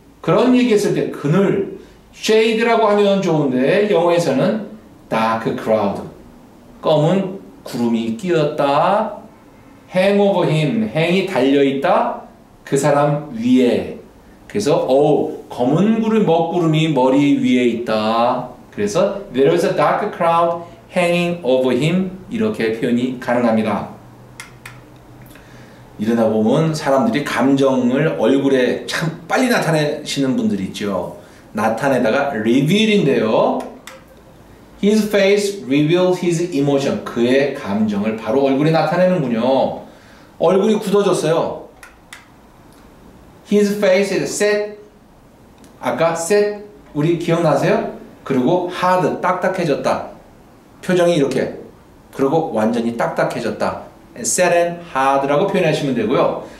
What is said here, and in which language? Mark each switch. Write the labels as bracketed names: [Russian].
[Korean] 그런 얘기 했을 때 그늘, shade라고 하면 좋은데 영어에서는 [English] dark cloud. [Korean] 검은 구름이 끼었다. [English] hang over him. [Korean] hang이 달려있다. 그 사람 위에. 그래서 검은 구름, 먹구름이 머리 위에 있다. 그래서 [English] there is a dark cloud hanging over him. [Korean] 이렇게 표현이 가능합니다. 이러다 보면 사람들이 감정을 얼굴에 참 빨리 나타내시는 분들이 있죠. 나타내다가 reveal인데요. [English] His face reveals his emotion. [Korean] 그의 감정을 바로 얼굴에 나타내는군요. 얼굴이 굳어졌어요. [English] His face is set. [Korean] 아까 set 우리 기억나세요? 그리고 hard, 딱딱해졌다. 표정이 이렇게. 그리고 완전히 딱딱해졌다. [English] set and hard [Korean] 라고 표현하시면 되고요.